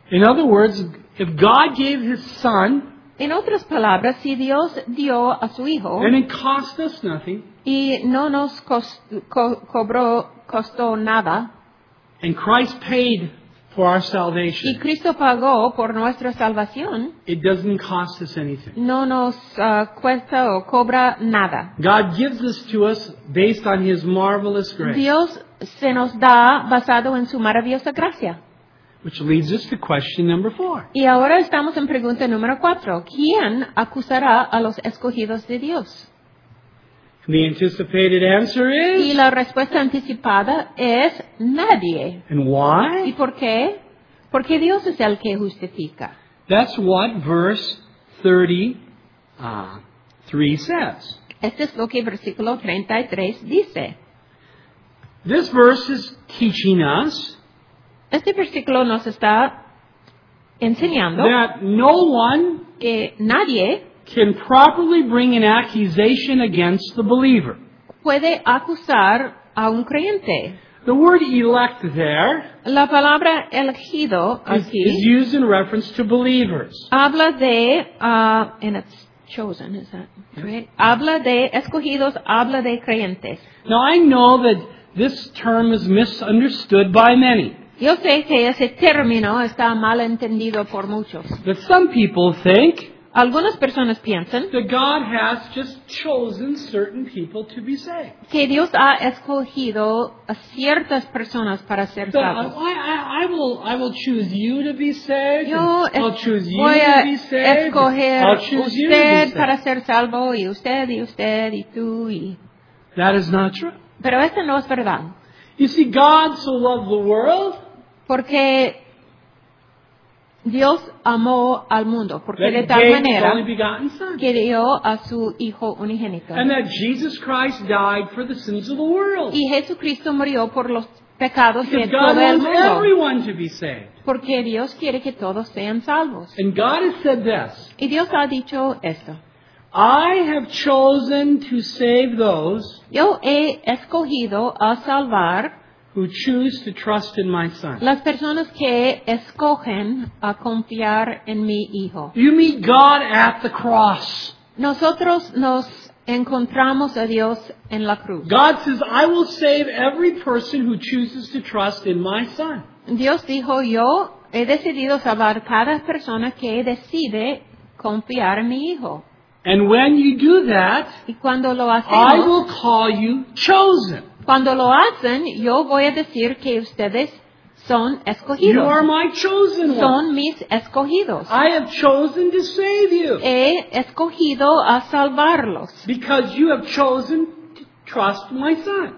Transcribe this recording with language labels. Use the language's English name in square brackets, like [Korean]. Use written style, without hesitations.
[English] In other words, if God gave his son. [Spanish] En otras palabras, si Dios dio a su hijo [English] and it cost us nothing, [Spanish] y no nos costó nada [English] and Christ paid for our salvation, [Spanish] y Cristo pagó por nuestra salvación, [English] it doesn't cost us anything. [Spanish] No nos cuesta o cobra nada. [English] God gives this to us based on his marvelous grace. [Spanish] Dios se nos da basado en su maravillosa gracia. [English] Which leads us to question number four. [Spanish] Y ahora estamos en pregunta número cuatro. ¿Quién acusará a los escogidos de Dios? [English] The anticipated answer is. [Spanish] Y la respuesta anticipada es nadie. [English] And why? [Spanish] ¿Y por qué? Porque Dios es el que justifica. [English] That's what verse 33 says. [Spanish] Este es lo que versículo 33 dice. [English] This verse is teaching us. [Spanish] Este versículo nos está enseñando [English] that no one [Spanish] que nadie [English] can properly bring an accusation against the believer. [Spanish] Puede acusar a un creyente. [English] The word elect there, [Spanish] la palabra elegido aquí, [English] is used in reference to believers. [Spanish] Habla de, [English] and it's chosen, is that right? Yes. [Spanish] Habla de escogidos, habla de creyentes. [English] Now I know that this term is misunderstood by many. [Spanish] Yo sé que ese término está mal entendido por muchos. [English] But some people think, [Spanish] algunas personas piensan, [English] that God has just chosen certain people to be saved. [Spanish] Que Dios ha escogido a ciertas personas para ser salvos. [English] I will choose you to be saved. [Spanish] Yo [English] I'll choose you [Spanish] voy [English] to be saved. [Spanish] Escoger [English] I'll choose [Spanish] usted [English] you to be saved. [Spanish] Para ser salvo y usted y usted y tú y. [English] That is not true. [Spanish] Pero eso no es verdad. [English] You see, God so loved the world. [Spanish] Porque Dios amó al mundo porque de tal manera que dio a su Hijo unigénito. [English] And that Jesus Christ died for the sins of the world. [Spanish] Y Jesucristo murió por los pecados [English] because [Spanish] de todo [English] God [Spanish] el mundo. [English] Everyone to be saved. [Spanish] Porque Dios quiere que todos sean salvos. [English] And God has said this, [Spanish] y Dios ha dicho esto. [English] I have chosen to save those [Spanish] yo he escogido a salvar [English] who choose to trust in my son. [Spanish] Las personas que escogen a confiar en mi hijo. [English] You meet God at the cross. [Spanish] Nosotros nos encontramos a Dios en la cruz. [English] God says, I will save every person who chooses to trust in my son. [Spanish] Dios dijo, yo he decidido salvar cada persona que decide confiar en mi hijo. [English] And when you do that, [Spanish] y cuando lo hacemos, [English] I will call you chosen. [Spanish] Cuando lo hacen, yo voy a decir que ustedes son escogidos. [English] You are my chosen one. [Spanish] Son mis escogidos. [English] I have chosen to save you. [Spanish] He escogido a salvarlos. [English] Because you have chosen to trust my son.